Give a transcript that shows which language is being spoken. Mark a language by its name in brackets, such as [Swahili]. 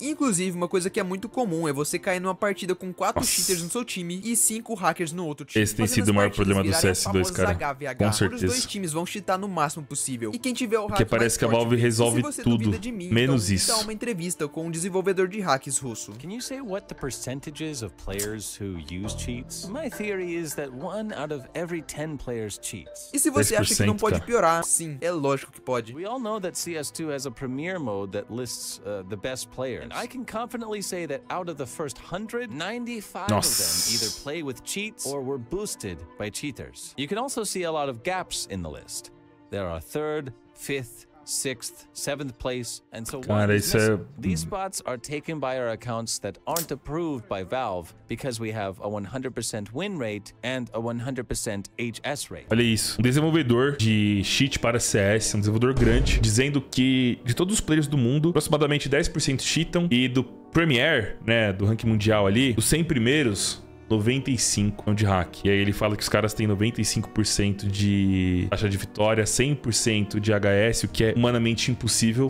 [Portuguese] E, inclusive, uma coisa que é muito comum é você cair numa partida com 4 cheaters no seu time e 5 hackers no outro time. Esse tem sido o maior problema do CS2, cara. HVH. Com certeza. Os dois times vão cheatar no máximo possível. E quem tiver o hack, porque parece que a Valve resolve tudo, de mim, menos então, isso. Então, uma entrevista com um desenvolvedor de hackers russo. [English] Can you say what the percentages of players who use cheats? My theory is that one out of every 10 players cheats. [Portuguese] E se você acha que não pode piorar? Sim, é lógico que pode. [English] We all know that CS2 has a premier mode that lists the best players. And I can confidently say that out of the first 100, 95 of them either play with cheats or were boosted by cheaters. You can also see a lot of gaps in the list. There are 3rd, 5th, 6th, 7th place, and so on. These spots are taken by our accounts that aren't approved by Valve because we have a 100% win rate and a 100% HS rate. [Portuguese] Olha isso, um desenvolvedor de cheat para CS, um desenvolvedor grande, dizendo que de todos os players do mundo, aproximadamente 10% cheatam, e do Premier, né, do ranking mundial ali, os 100 primeiros, 95 de hack. E aí ele fala que os caras têm 95% de taxa de vitória, 100% de HS, o que é humanamente impossível.